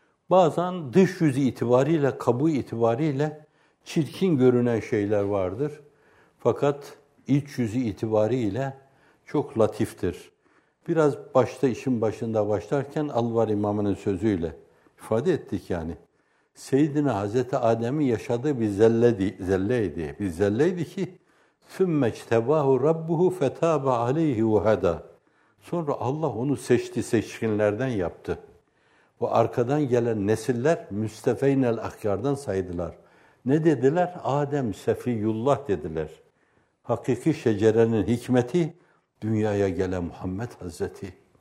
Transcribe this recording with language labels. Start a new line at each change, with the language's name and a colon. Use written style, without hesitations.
Turkish: Bazen dış yüzü itibariyle, kabuğu itibariyle çirkin görünen şeyler vardır. Fakat iç yüzü itibariyle çok latiftir. Biraz başta işin başında başlarken Alvar İmam'ın sözüyle ifade ettik yani. Seyyidine Hazreti Adem'in yaşadığı bir zelleydi. Bir zelleydi ki
Arabic: ثُمَّ اجْتَبَاهُ رَبُّهُ فَتَابَ عَلَيْهِ وَهَدَى.
Turkish: Sonra Allah onu seçti, seçkinlerden yaptı. Bu arkadan gelen nesiller müstefeynel ahkardan saydılar. Ne dediler? Adem sefiyullah dediler. Hakiki şecerenin hikmeti dünyaya gelen Muhammed Hazreti.